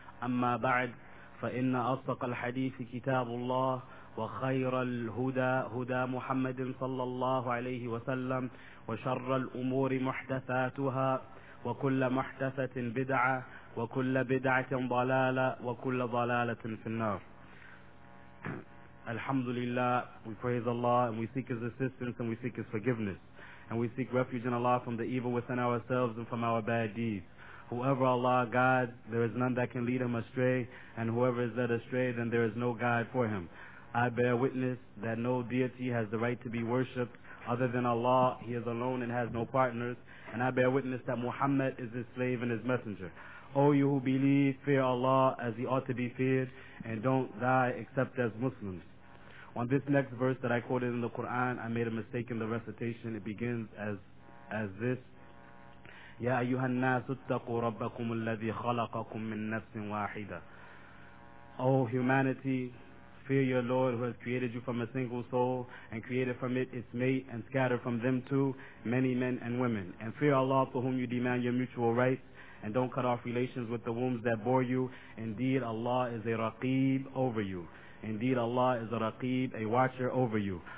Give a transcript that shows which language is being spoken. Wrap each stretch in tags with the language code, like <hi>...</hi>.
<ar>أما بعد، فإن أصدق الحديث كتاب الله، وخير الهدى هدى محمد صلى الله عليه وسلم، وشر الأمور محدثاتها، وكل محدثة بدعة، وكل بدعة ضلالة، وكل ضلالة في النار. الحمد لله.</ar> <en>We praise Allah and we seek His assistance and we seek His forgiveness. And we seek refuge in Allah from the evil within ourselves and from our bad deeds. Whoever Allah guides, there is none that can lead him astray. And whoever is led astray, then there is no guide for him. I bear witness that no deity has the right to be worshipped other than Allah. He is alone and has no partners. And I bear witness that Muhammad is his slave and his messenger. O you who believe, fear Allah as he ought to be feared, and don't die except as Muslims. On this next verse that I quoted in the Quran, I made a mistake in the recitation. It begins as this.</en> <ar>يا أيها الناس اتقوا ربكم الذي خلقكم من نفس واحدة.</ar> <en>O humanity, fear your Lord who has created you from a single soul and created from it its mate and scattered from them too many men and women. And fear Allah for whom you demand your mutual rights, and don't cut off relations with the wombs that bore you. Indeed Allah is a raqib over you. Indeed Allah is a raqib, a watcher over you.</en>